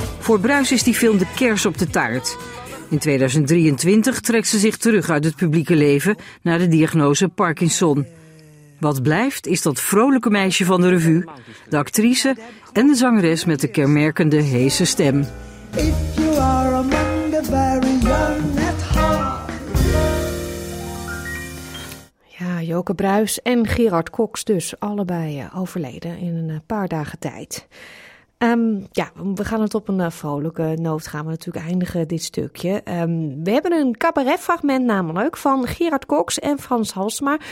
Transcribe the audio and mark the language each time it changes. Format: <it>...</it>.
<nl>Voor Bruis is die film de kers op de taart. In 2023 trekt ze zich terug uit het publieke leven na de diagnose Parkinson. Wat blijft is dat vrolijke meisje van de revue, de actrice en de zangeres met de kenmerkende heese stem.</nl> <en>If you are among the very young at heart.</en> <nl>Ja, Joke Bruis en Gerard Cox dus, allebei overleden in een paar dagen tijd. Ja, we gaan het op een vrolijke noot gaan we natuurlijk eindigen, dit stukje. We hebben een cabaretfragment namelijk van Gerard Cox en Frans Halsema.</nl>